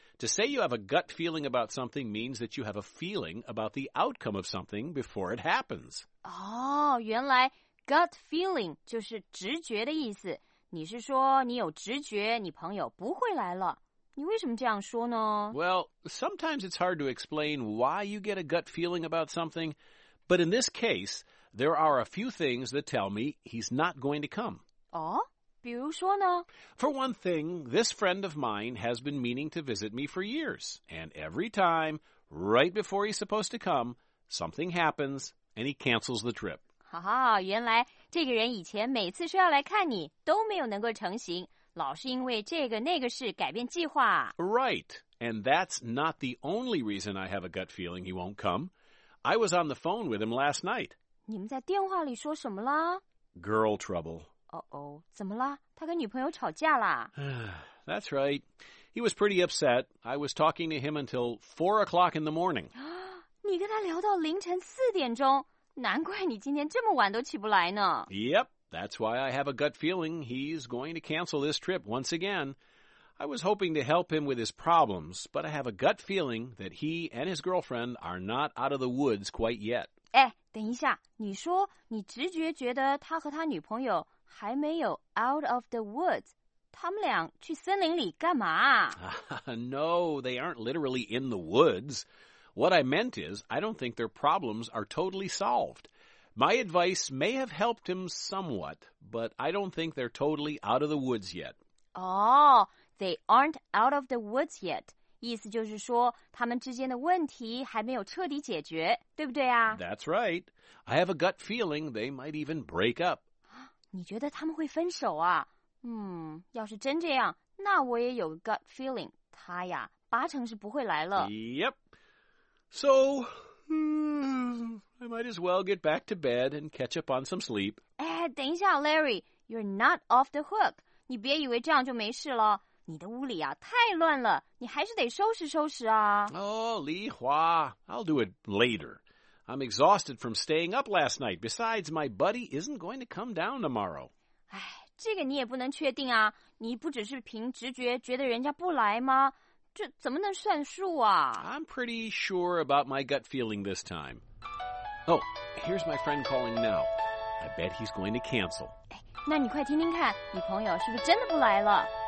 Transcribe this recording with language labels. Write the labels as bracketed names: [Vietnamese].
[English] To say you have a gut feeling about something means that you have a feeling about the outcome of something before it happens. [Chinese] 原来 gut feeling 就是直觉的意思。你是说你有直觉你朋友不会来了，你为什么这样说呢？ [English] Well, sometimes it's hard to explain why you get a gut feeling about something, but in this case, there are a few things that tell me he's not going to come. [Chinese] 比如说呢？ [English] For one thing, this friend of mine has been meaning to visit me for years, and every time, right before he's supposed to come, something happens and he cancels the trip. [Chinese] 原来这个人以前每次说要来看你都没有能够成行，老是因为这个那个事改变计划。 [English] Right, and that's not the only reason I have a gut feeling he won't come. I was on the phone with him last night. [Chinese] 你们在电话里说什么了？ [English] Girl trouble. [Chinese] Uh-oh, 怎么了？他跟女朋友吵架了？ [English] That's right. He was pretty upset. I was talking to him until 4 o'clock in the morning. [Chinese] 你跟他聊到凌晨4点钟？难怪你今天这么晚都起不来呢。 [English] Yep, that's why I have a gut feeling he's going to cancel this trip once again. I was hoping to help him with his problems, but I have a gut feeling that he and his girlfriend are not out of the woods quite yet. [Chinese] 等一下，你说你直觉觉得他和他女朋友还没有 [English] out of the woods， [Chinese] 他们俩去森林里干嘛 [English] No, they aren't literally in the woods. What I meant is, I don't think their problems are totally solved. My advice may have helped him somewhat, but I don't think they're totally out of the woods yet. Oh, they aren't out of the woods yet. [Chinese] 意思就是说他们之间的问题还没有彻底解决，对不对啊 [English] That's right. I have a gut feeling they might even break up. [Chinese] 你觉得他们会分手啊要是真这样，那我也有 gut feeling， 他呀，八成是不会来了。 [English] Yep. So, I might as well get back to bed and catch up on some sleep. [Chinese] 哎，等一下 [English] ，Larry， you're not off the hook. [Chinese] 你别以为这样就没事了。你的屋里啊，太乱了，你还是得收拾收拾啊。 [English] Oh, Li Hua, I'll do it later. I'm exhausted from staying up last night. Besides, my buddy isn't going to come down tomorrow. [Chinese] 哎。这个你也不能确定啊，你不只是凭直觉觉得人家不来吗？这怎么能算数啊 [English] ？I'm pretty sure about my gut feeling this time. Oh, here's my friend calling now. I bet he's going to cancel. [Chinese] 那你快听听看，你朋友是不是真的不来了